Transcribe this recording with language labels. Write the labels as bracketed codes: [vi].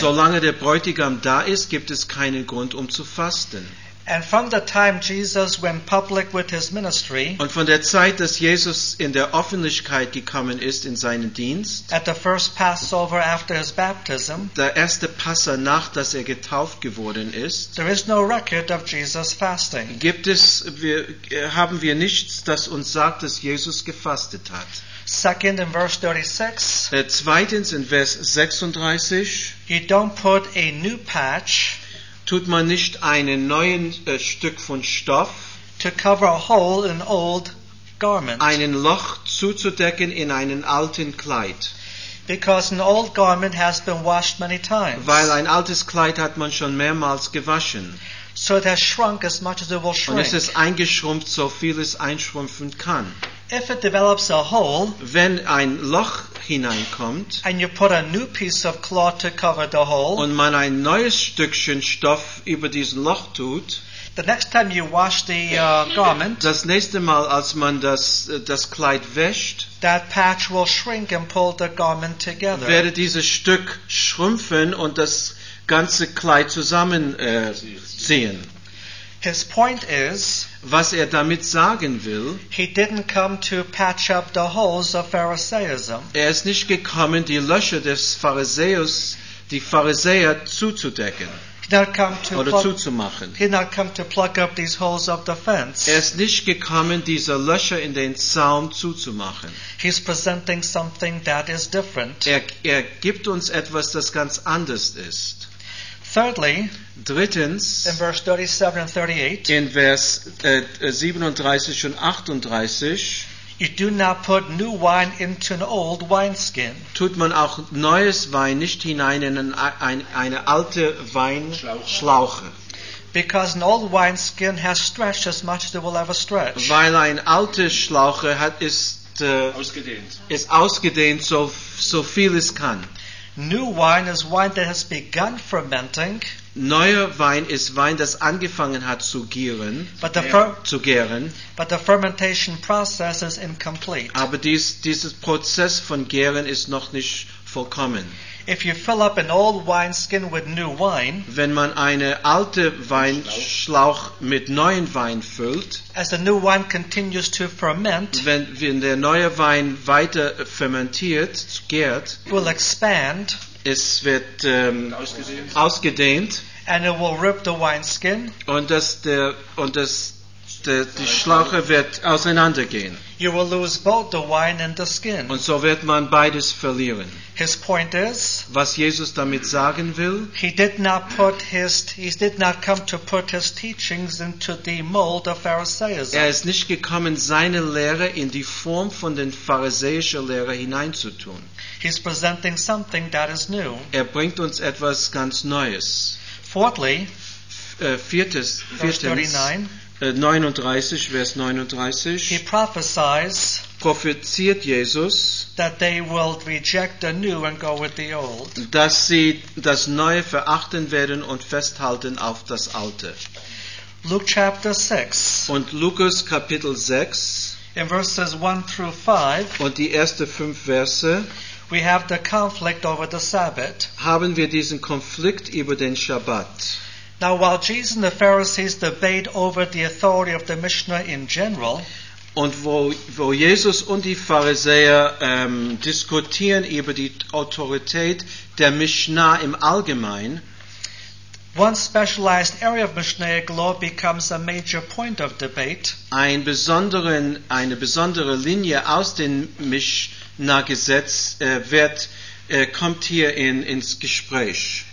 [de] Solange der Bräutigam da ist, gibt es keinen Grund, zu fasten. [en] And from the time Jesus went public with his ministry, [de] und von der Zeit, dass Jesus in der Öffentlichkeit gekommen ist in seinen Dienst, [en] at the first Passover after his baptism, [de] der erste Passa nach, dass er getauft geworden ist, [en] there is no record of Jesus fasting. [de] Gibt es, haben wir nichts, das uns sagt, dass Jesus gefastet hat. [en] Second in verse 36. [de] Zweitens in Vers 36. [en] You don't put a new patch. [de] Tut man nicht einen neuen Stück von Stoff, [en] to cover a hole in old garment, [de] einen Loch zuzudecken in einen alten Kleid, [en] because an old garment has been washed many times, [de] weil ein altes Kleid hat man schon mehrmals gewaschen, [en] so it has shrunk as much as it will shrink, [de] und es ist eingeschrumpft so viel es einschrumpfen kann. [en] If it develops a hole, [de] wenn ein Loch hineinkommt, [en] and you put a new piece of cloth to cover the hole, [de] und man ein neues Stückchen Stoff über diesen Loch tut, [en] the next time you wash the garment, [de] das nächste Mal, als man das Kleid wäscht, [en] that patch will shrink and pull the garment together. [de] Werde dieses Stück schrumpfen und das ganze Kleid zusammen ziehen. [en] His point is, [de] was er damit sagen will, [en] he didn't come to patch up the holes of Pharisaism. [de] Er ist nicht gekommen, die Löcher des Pharisäers, die Pharisäer zuzudecken oder zuzumachen. [en] He did not come to plug up these holes of the fence. [de] Er ist nicht gekommen, diese Löcher in den Zaun zuzumachen. [en] He's presenting something that is different. [de] Er gibt uns etwas, das ganz anders ist. [en] Thirdly, [de] drittens, [en] in verse 37 and 38, [de] in Vers 37 und 38, [en] you do not put new wine into an old wineskin. [de] Tut man auch neues Wein nicht hinein in eine alte Weinschlauche. [en] Because an old wineskin has stretched as much as it will ever stretch. [de] Weil ein alte Schlauche ist ausgedehnt so viel es kann. [en] New wine is wine that has begun fermenting. [de] Neuer Wein ist Wein, das angefangen hat zu gären. [en] But the fermentation process is incomplete. [de] Aber dieses Prozess von gären ist noch nicht vollkommen. [en] If you fill up an old wineskin with new wine, [de] wenn man eine alte Weinschlauch mit neuen Wein füllt, [en] as the new wine continues to ferment, [de] wenn der neue Wein weiter fermentiert, gärt, [en] will expand, [de] es wird ausgedehnt, [en] and it will rip the wineskin, [de] und die Schlauche wird auseinandergehen. [en] You will lose both the wine and the skin. [de] Und so wird man beides verlieren. [en] His point is, [de] was Jesus damit sagen will, [en] he did not come to put his teachings into the mold of Pharisaism. [de] Er ist nicht gekommen, seine Lehre in die Form von den pharisäischen Lehre hineinzutun. [en] He's presenting something that is new. [de] Er bringt uns etwas ganz Neues. [en] Fourthly, [de] viertens, 39, 39, Vers 39. [en] He prophesies, [de] prophezeiert Jesus, [en] that they will reject the new and go with the old. [de] Dass sie das Neue verachten werden und festhalten auf das Alte. [en] Luke chapter 6. [de] Und Lukas Kapitel 6. [en] In verses 1 through 5. [de] Und die ersten 5 Verse. [en] We have the conflict over the Sabbath. [de] Haben wir diesen Konflikt über den Shabbat. [en] Now, while Jesus and the Pharisees debate over the authority of the Mishnah in general, [de] und wo Jesus und die Pharisäer diskutieren über die Autorität der Mishnah im Allgemeinen, [en] one specialized area of Mishnaic law becomes a major point of debate. [de] Eine besondere Linie aus dem Mishnah-Gesetz wird kommt hier ins Gespräch.